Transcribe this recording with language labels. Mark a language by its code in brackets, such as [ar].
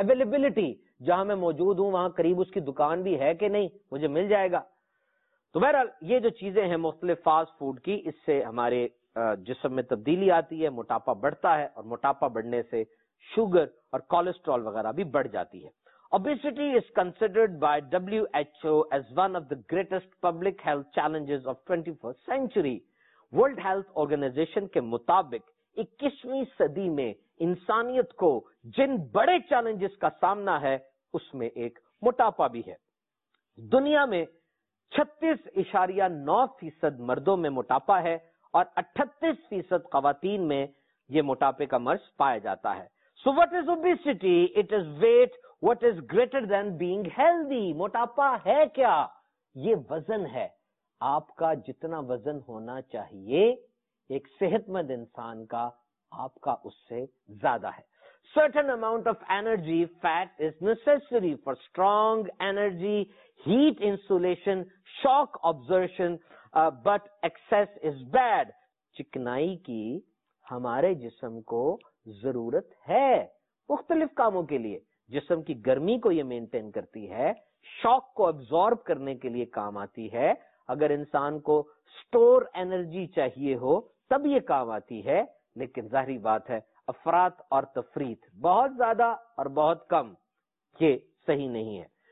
[ur] Availability, جہاں میں موجود ہوں وہاں قریب اس کی دکان بھی ہے کہ نہیں، مجھے مل جائے گا. تو بہرحال یہ جو چیزیں ہیں مختلف فاسٹ فوڈ کی، اس سے ہمارے جسم میں تبدیلی آتی ہے، موٹاپا بڑھتا ہے، اور موٹاپا بڑھنے سے شوگر اور کولیسٹرول وغیرہ بھی بڑھ جاتی ہے. [en] Obesity is considered by WHO as one of the greatest public health challenges of 21st century. [ur] World Health Organization کے مطابق 21ویں صدی میں انسانیت کو جن بڑے چیلنجز کا سامنا ہے اس میں ایک موٹاپا بھی ہے. دنیا میں 36.9% مردوں میں موٹاپا ہے اور 38% خواتین میں یہ موٹاپے کا مرض پایا جاتا ہے. [en] So what is obesity? It is weight what is greater than being healthy. [ur] موٹاپا ہے کیا؟ یہ وزن ہے. آپ کا جتنا وزن ہونا چاہیے ایک صحت مند انسان کا، آپ کا اس سے زیادہ ہے. [en] Certain amount of energy fat is necessary for strong energy, heat insulation, shock absorption, but excess is bad. [ur] چکنائی کی ہمارے جسم کو ضرورت ہے مختلف کاموں کے لیے. جسم کی گرمی کو یہ مینٹین کرتی ہے، شاک کو ابزارب کرنے کے لیے کام آتی ہے. اگر انسان کو سٹور انرجی چاہیے ہو تب یہ کام آتی ہے، لیکن ظاہری بات ہے افراط اور تفریط بہت زیادہ اور بہت کم یہ صحیح نہیں ہے.